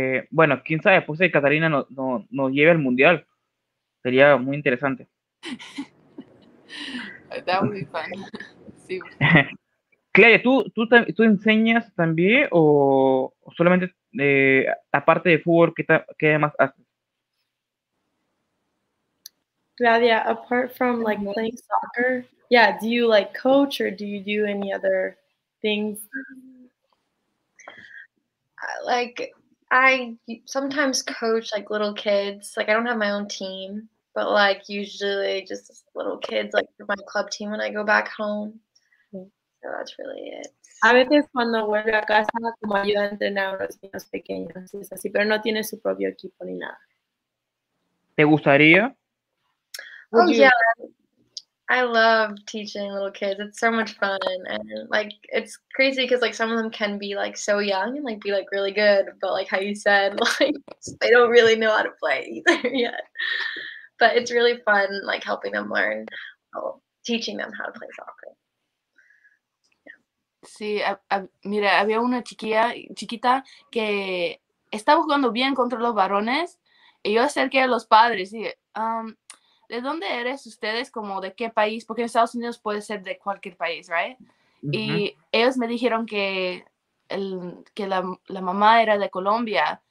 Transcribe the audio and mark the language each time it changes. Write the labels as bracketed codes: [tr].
[es] Bueno, quién sabe, después de que Catarina no lleve al mundial, sería muy interesante. [en] That would be fun. Sí. [es] Claudia, ¿tú enseñas también o solamente aparte de fútbol, qué demás haces? [en] Claudia, apart from like playing soccer, do you like coach or do you do any other things? Like I sometimes coach like little kids. Like I don't have my own team, but like usually just little kids like for my club team when I go back home. So that's really it. [es] A veces cuando vuelve a casa como ayuda a entrenar a los niños pequeños, es así, pero no tiene su propio equipo ni nada. ¿Te gustaría? Oh [en] Would yeah, you? I love teaching little kids. It's so much fun, and like it's crazy because like some of them can be like so young and like be like really good, but like how you said, like they don't really know how to play either yet. But it's really fun, like helping them learn, teaching them how to play soccer. [es] Sí, mira, había una chiquita que estaba jugando bien contra los varones y yo acerqué a los padres y dije, ¿de dónde eres ustedes? ¿Como de qué país? Porque en Estados Unidos puede ser de cualquier país, ¿right? Y ellos me dijeron que la mamá era de Colombia.